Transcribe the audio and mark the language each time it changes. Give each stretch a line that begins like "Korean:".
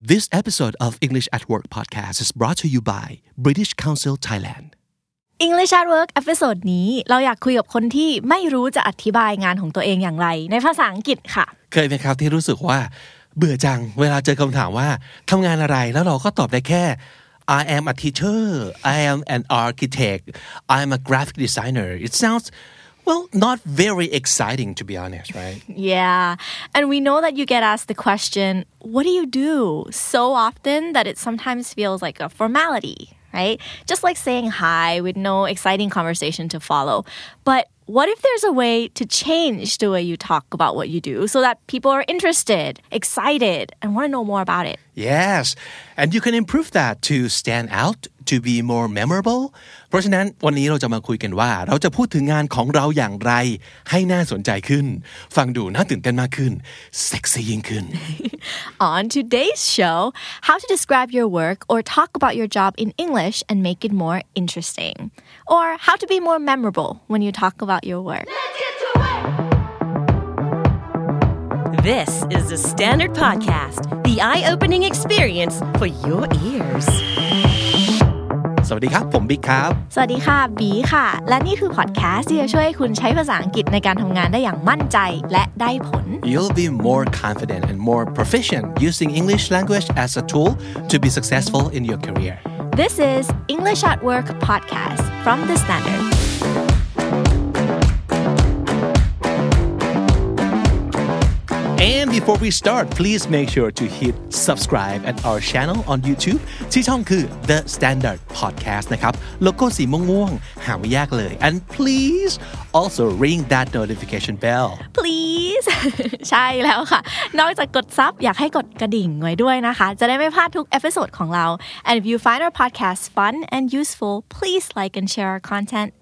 English: This episode of English at Work podcast is brought to you by British Council Thailand.
Thai: English at Work episode นี้เราอยากคุยกับคนที่ไม่รู้จะอธิบายงานของตัวเองอย่างไรในภาษาอังกฤษค่ะ เคยไหมครับที่รู้สึกว่าเบื่อจังเวลาเจอคำถามว่าทำงานอะไรแล้วเราก็ตอบได้แค่
English: I am a teacher, I am an architect, I am a graphic designer. It soundsWell, not very exciting, to be honest, right? Yeah. And we know that you get asked the question, what do you do? So often that it sometimes feels like a formality, right? Just like saying hi with no exciting conversation to follow. But what if there's a way to change the way you talk about what you do so that people are interested, excited, and want to know more about it? Yes. And you can improve that to stand out. To be more memorable.
Thai: เพราะฉะนั้นวันนี้เราจะมาคุยกันว่าเราจะพูดถึงงานของเราอย่างไรให้น่าสนใจขึ้นฟังดูน่าตื่นเต้นมากขึ้นเซ็กซี่ยิ่งขึ้น
English: On today's show, how to describe your work or talk about your job in English and make it more interesting. Or how to be more memorable when you talk about your work. This is the Standard Podcast, the eye-opening experience for your ears.
Thai: สวัสดีครับผมบิ๊กครับ สวัสดีค่ะบีค่ะและนี่คือพอดแคสต์ที่จะช่วยให้คุณใช้ภาษาอังกฤษในการทำงานได้อย่างมั่นใจและได้ผล
English: You'll be more confident and more proficient using English language as a tool to be successful in your career. This is English at Work podcast from The Standard. And before we start, please make sure to hit subscribe at our channel on YouTube.
Thai: ที่ช่องคือ The Standard Podcast นะครับโลโก้สีม่วงๆหาไม่ยากเลย
English: And please also ring that notification bell.
Thai: Please ใช่แล้วค่ะนอกจากกดซับอยากให้กดกระดิ่งไว้ด้วยนะคะจะได้ไม่พลาดทุกเอพิโซดของเรา
English: And if you find our podcast fun and useful, please like and share our content.